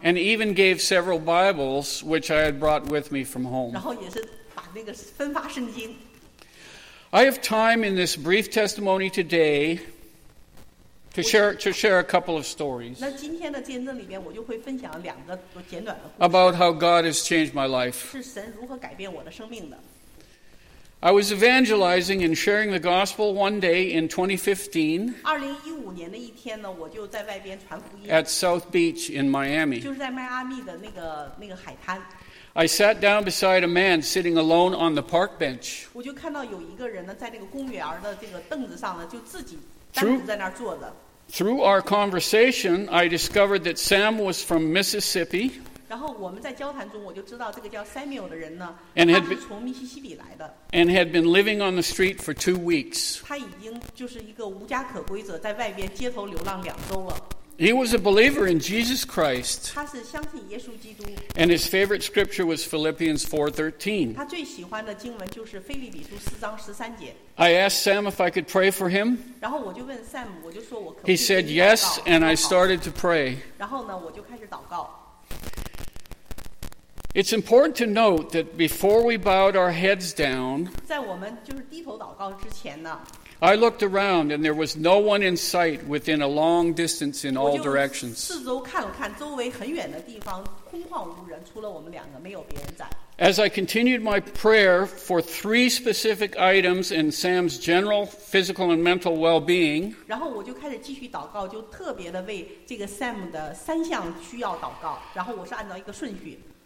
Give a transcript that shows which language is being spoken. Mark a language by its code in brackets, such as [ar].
[en] And even gave several Bibles which I had brought with me from home. [zh] 然后也是把那个分发圣经。 [en] I have time in this brief testimony today to share a couple of stories. [zh] 那今天的见证里面，我就会分享两个简短的故事。 [en] About how God has changed my life. [zh] 是神如何改变我的生命的。 [en] I was evangelizing and sharing the gospel one day in 2015. [zh] 2015年的一天呢，我就在外边传福音。 [en] At South Beach in Miami. [zh] 就是在迈阿密的那个海滩。 [en] I sat down beside a man sitting alone on the park bench. [zh] 我就看到有一个人呢，在那个公园的这个凳子上呢，就自己单独在那儿坐着。 [en] Through our conversation, I discovered that Sam was from Mississippi. [zh] 然后我们在交谈中，我就知道这个叫 Samuel 的人呢，他是从密西西比来的。 [en] And had been living on the street for 2 weeks. [zh] 他已经就是一个无家可归者，在外边街头流浪两周了。 [en] He was a believer in Jesus Christ. [zh] 他是相信耶稣基督。 [en] And his favorite scripture was Philippians 4:13. [zh] 他最喜欢的经文就是腓立比书四章十三节。 [en] I asked Sam if I could pray for him. [zh] 然后我就问 Sam， 我就说我可不可以。 [en] He said yes, and I started to pray. [zh] 然后呢，我就开始祷告。 [en] It's important to note that before we bowed our heads down, [zh] 在我们就是低头祷告之前呢, [en] I looked around and there was no one in sight within a long distance in all directions. [zh] 我就四周看了看, 周围很远的地方, 空旷无人, 除了我们两个, 没有别人在。 [en] As I continued my prayer for three specific items in Sam's general physical and mental well-being, [zh] 然后我就开始继续祷告, 就特别的为这个 Sam 的三项需要祷告, 然后我是按照一个顺序。